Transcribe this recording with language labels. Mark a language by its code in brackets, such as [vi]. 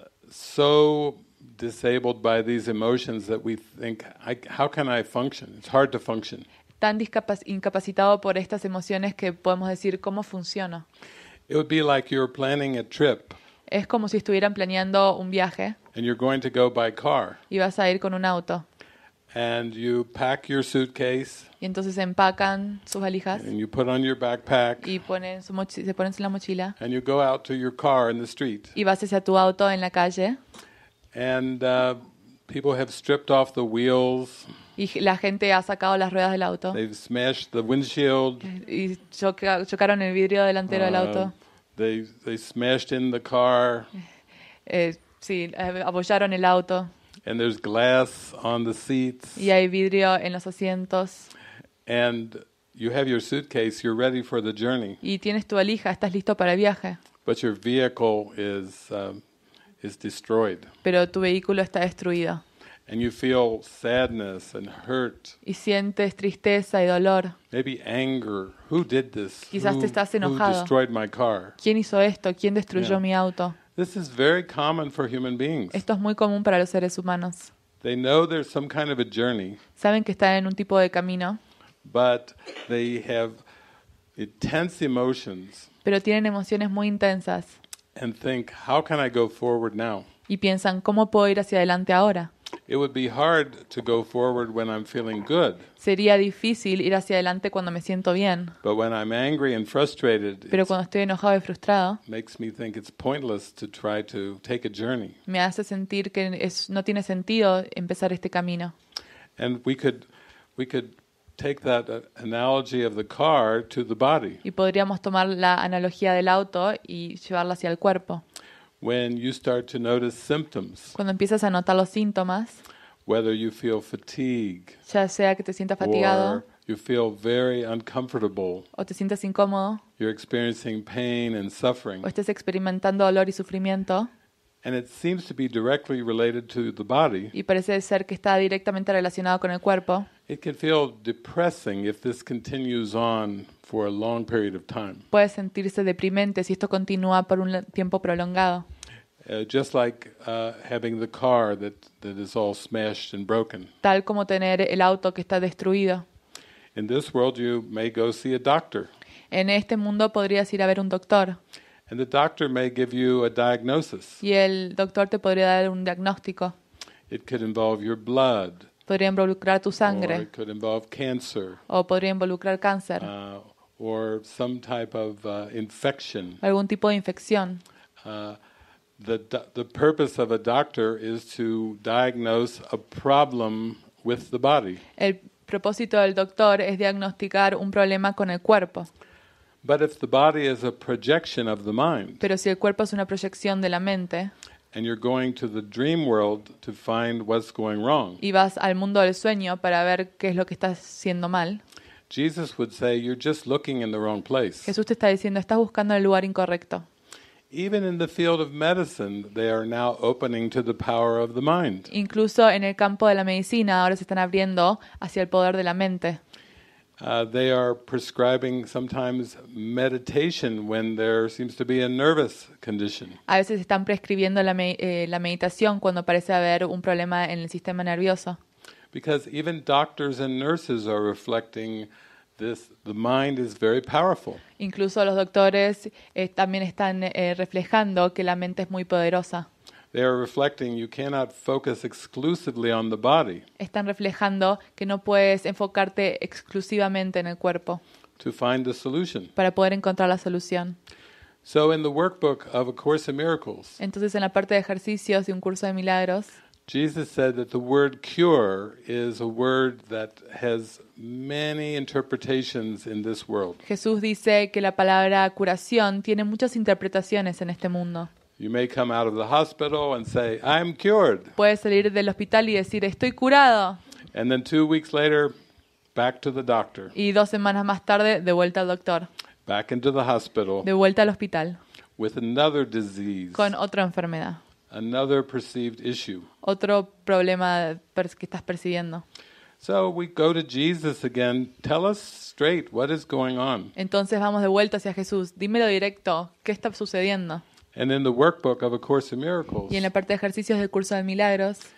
[en] So disabled by these emotions that we think, how can I function? It's hard to function. [es] Tan incapacitado por estas emociones que podemos decir cómo funciona. [en] It would be like you're planning a trip. [es] Es como si estuvieran planeando un viaje. [en] And you're going to go by car. [es] Y vas a ir con un auto. [en] And you pack your suitcase. [es] Y entonces empacan sus valijas. [en] And you put on your backpack. [es] Y se ponen en la mochila. [en] And you go out to your car in the street. [es] Y vas hacia tu auto en la calle. [en] And people have stripped off the wheels. [es] Y la gente ha sacado las ruedas del auto. [en] They've smashed the windshield. [es] Y chocaron el vidrio delantero del auto. [en] They smashed in the car. [es] Abollaron el auto. [en] And there's glass on the seats. [es] Y hay vidrio en los asientos. [en] And You have your suitcase, you're ready for the journey. [es] Y tienes tu valija, estás listo para el viaje. [en] But your vehicle is destroyed. [es] Pero tu vehículo está destruido. [en] And you feel sadness and hurt. [es] Y sientes tristeza y dolor. [en] Maybe anger. Who did this? [es] Quizás te estás enojado. [en] Who destroyed my car? [es] ¿Quién hizo esto? ¿Quién destruyó mi auto? [en] This is very common for human beings. [es] Esto es muy común para los seres humanos. [en] They know there's some kind of a journey. [es] Saben que están en un tipo de camino. [en] But they have intense emotions. [es] Pero tienen emociones muy intensas. [en] And think, how can I go forward now? [es] Y piensan, ¿cómo puedo ir hacia adelante ahora? [en] It would be hard to go forward when I'm feeling good. [es] Sería difícil ir hacia adelante cuando me siento bien. [en] But when I'm angry and frustrated, [es] pero cuando estoy enojado y frustrado, [en] makes me think it's pointless to try to take a journey. [es] Me hace sentir que no tiene sentido empezar este camino. [en] And we could take that analogy of the car to the body. [es] Y podríamos tomar la analogía del auto y llevarla hacia el cuerpo. [en] When you start to notice symptoms, [es] cuando empiezas a notar los síntomas, [en] whether you feel fatigue, [es] ya sea que te sientas fatigado, [en] or you feel very uncomfortable, [es] o te sientas incómodo, [en] you're experiencing pain and suffering, [es] o estás experimentando dolor y sufrimiento, [en] and it seems to be directly related to the body, [es] y parece ser que está directamente relacionado con el cuerpo, [en] it can feel depressing if this continues on for a long period of time. [es] Puede sentirse deprimente si esto continúa por un tiempo prolongado. [en] Just like having the car that is all smashed and broken. [es] Tal como tener el auto que está destruido. [en] In this world you may go see a doctor. [es] En este mundo podrías ir a ver un doctor. [en] And the doctor may give you a diagnosis. [es] Y el doctor te podría dar un diagnóstico. [en] It could involve your blood. [es] Podría involucrar tu sangre. [en] Or it could involve cancer. [es] O podría involucrar cáncer. [en] Or some type of infection. [es] Algún tipo de infección. [en] The purpose of a doctor is to diagnose a problem with the body. [es] El propósito del doctor es diagnosticar un problema con el cuerpo. [en] But if the body is a projection of the mind. [es] Pero si el cuerpo es una proyección de la mente. [en] And you're going to the dream world to find what's going wrong. [es] Y vas al mundo del sueño para ver qué es lo que está haciendo mal. [en] Jesus would say you're just looking in the wrong place. [es] Jesús te está diciendo estás buscando en el lugar incorrecto. [en] Even in the field of medicine, they are now opening to the power of the mind. [es] Incluso en el campo de la medicina ahora se están abriendo hacia el poder de la mente. [en] They are prescribing sometimes meditation when there seems to be a nervous condition. [es] A veces están prescribiendo la meditación cuando parece haber un problema en el sistema nervioso. [en] Because even doctors and nurses are reflecting this, the mind is very powerful. [es] Incluso los doctores también están reflejando que la mente es muy poderosa. [en] They are reflecting you cannot focus exclusively on the body. [es] Están reflejando que no puedes enfocarte exclusivamente en el cuerpo. [en] To find the solution. [es] Para poder encontrar la solución. [en] So in the workbook of A Course in Miracles. [es] Entonces en la parte de ejercicios de Un Curso de Milagros. [en] Jesus said that the word cure is a word that has many interpretations in this world. [es] Jesús dice que la palabra curación tiene muchas interpretaciones en este mundo. [en] You may come out of the hospital and say, "I'm cured." [es] Puedes salir del hospital y decir, "Estoy curado." [en] And then 2 weeks later, back to the doctor. [es] Y 2 semanas más tarde, de vuelta al doctor. [en] Back into the hospital. [es] De vuelta al hospital. [en] With another disease. [es] Con otra enfermedad. [en] Another perceived issue. [es] Otro problema que estás percibiendo. [en] So we go to Jesus again. Tell us straight what is going on. [es] Entonces vamos de vuelta hacia Jesús. Dímelo directo. ¿Qué está sucediendo? [en] And in the workbook of A Course in Miracles. [es] Y en la parte de ejercicios del curso de milagros.